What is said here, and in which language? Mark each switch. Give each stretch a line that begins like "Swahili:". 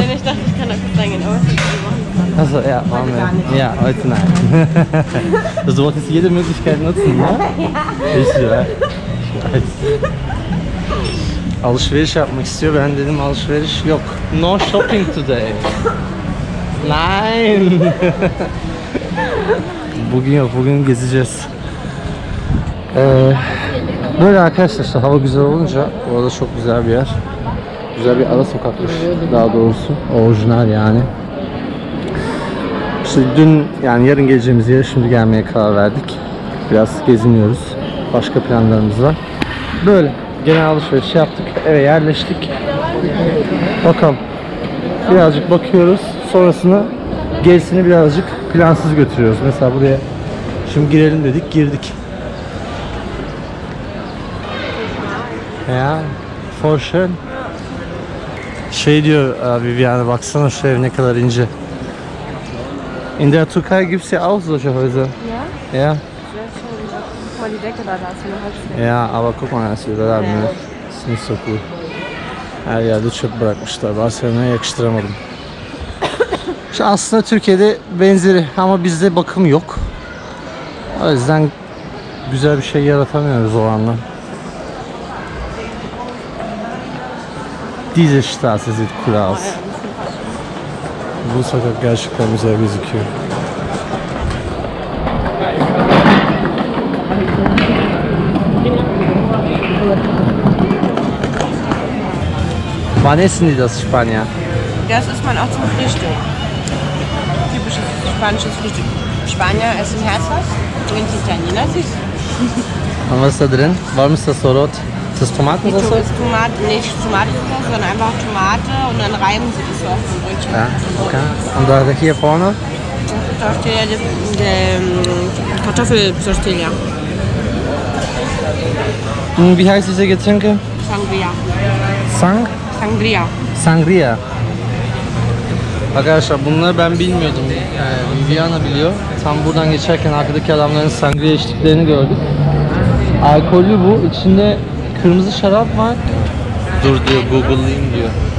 German: Nein, ich dachte, ich kann da kurz reingehen, aber also ja, warum nicht? Ja, heute nein. Du solltest jede Möglichkeit nutzen, ne? Ja. Ich weiß.
Turkish: Alışveriş yapmak istiyor. Ben dedim alışveriş yok.
English: No shopping today. Nein.
Turkish: Bugün yok. Bugün gezeceğiz. Böyle arkadaşlar işte, hava güzel olunca orada çok güzel bir yer. Güzel bir ara sokakmış. Daha doğrusu orijinal yani. İşte dün, yani yarın geleceğimiz yere şimdi gelmeye karar verdik. Biraz geziniyoruz. Başka planlarımız var. Böyle genel alışveriş yaptık. Eve yerleştik. Bakalım. Birazcık bakıyoruz. Sonrasında gerisini birazcık plansız götürüyoruz. Mesela buraya şimdi girelim dedik. Girdik.
English: Ya, for sure.
Turkish: Şey diyor Viviane, baksana şu ev ne kadar ince.
German: In der Türkei gibt es ja auch solche Häuser. Ja? Ja. Sehr schön. Guck mal, die Decke da, da ist eine Holzdecke. Ja, aber guck mal, das ist nicht so cool.
Turkish: Her yerde çöp bırakmışlar. Barcelona'ya yakıştıramadım. Şu aslında Türkiye'de benzeri ama bizde bakım yok. O yüzden güzel bir şey yaratamıyoruz o anla.
German: Diese Straße sieht cool aus.
Turkish: Bu sokak gerçekten güzel gözüküyor.
German: Wann essen die das Spanier? Das ist man auch zum Frühstück. Typisches spanisches Frühstück. Spanier essen herzhaft und Italiener süß. Und was ist da drin? Warum ist das so rot? Ist das Tomatensauce? Nicht Tomatensauce, sondern einfach Tomate und dann reiben sie das so auf dem Brötchen. Ja, okay. Und da hier vorne? Da steht ja die Kartoffel-Tortilla. Und wie heißt diese Getränke? Sangria. Sangria. Sangria.
Turkish: Arkadaşlar bunları ben bilmiyordum. Viviana biliyor. Tam buradan geçerken arkadaki adamların sangria içtiklerini gördük. Alkollü bu. İçinde kırmızı şarap var. Dur diyor, Google'layayım diyor.